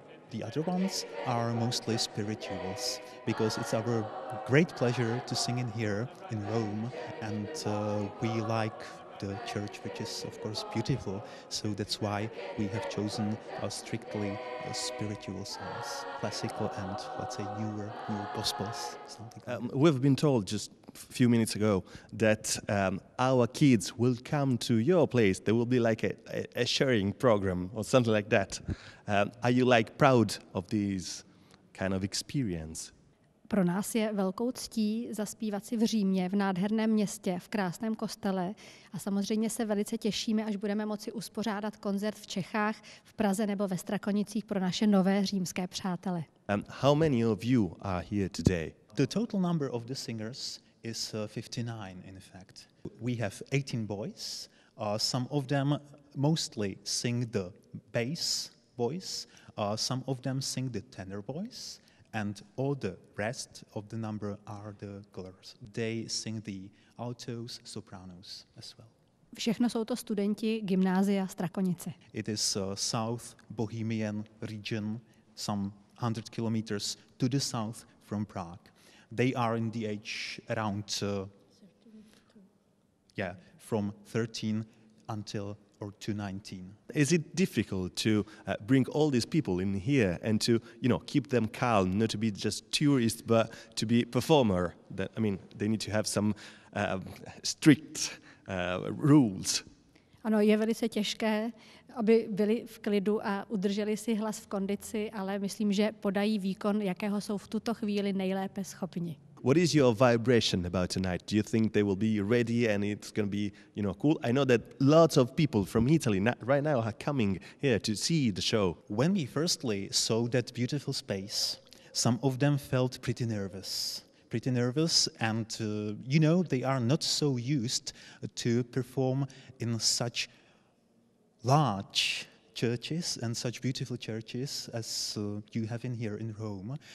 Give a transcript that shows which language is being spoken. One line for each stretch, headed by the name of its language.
English: The other ones are mostly spirituals, because it's our great pleasure to sing in here in Rome, and we like the church, which is of course beautiful, so that's why we have chosen strictly spiritual songs, classical and, let's say, newer gospels, something like that. We've been told just a few minutes ago that our kids will come to your place. There will be like a sharing program or something like that. Are you, like, proud of this kind of experience?
Czech: Pro nás je velkou ctí zaspívat si v Římě, v nádherném městě, v krásném kostele. A samozřejmě se velice těšíme, až budeme moci uspořádat koncert v Čechách, v Praze nebo ve Strakonicích pro naše nové římské přátele.
English: How many of you are here today? The total number of the singers is 59, in fact. We have 18 boys. Some of them mostly sing the bass voice. Some of them sing the tenor voice. And all the rest of the number are the girls. They sing the altos, sopranos as well.
Czech: Všechno jsou to studenti gymnázia Strakonice.
English: It is a south Bohemian region, some 100 kilometers to the south from Prague. They are in the age around, from 13 until or to 19. Is it difficult to bring all these people in here and to, you know, keep them calm, not to be just tourists, but to be performer? That, I mean, they need to have some strict rules.
Czech: Ano, je velice těžké, aby byli v klidu a udrželi si hlas v kondici, ale myslím, že podají výkon, jakého jsou v tuto chvíli nejlépe schopni.
English: What is your vibration about tonight? Do you think they will be ready and it's going to be, you know, cool? I know that lots of people from Italy right now are coming here to see the show. When we firstly saw that beautiful space, some of them felt pretty nervous. Pretty nervous, and you know, they are not so used to perform in such large churches and such beautiful churches as you have in here in Rome.